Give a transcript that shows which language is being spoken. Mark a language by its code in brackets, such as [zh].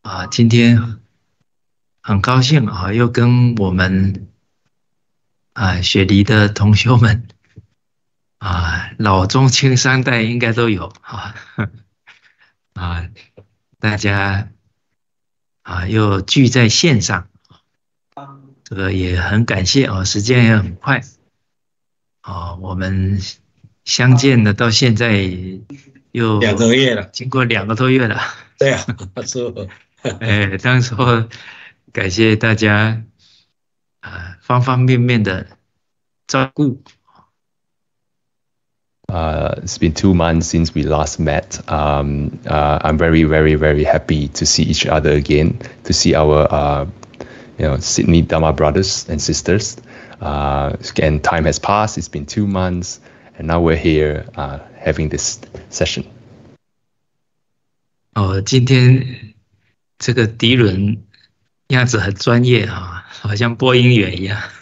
[zh] 今天很高兴又跟我们雪梨的同学们老中青三代应该都有大家又聚在线上，这个也很感谢时间也很快我们相见了到现在两又个月了，经过2个多月了。对呀，是吧？哎，当时候感谢大家，方方面面的照顾。 [en] It's been 2 months since we last met. I'm very, very, very happy to see each other again, to see our Sydney Dharma brothers and sisters. Again, time has passed. It's been 2 months, and now we're here having this session. [zh] 今天。这个迪伦样子很专业好像播音员一样。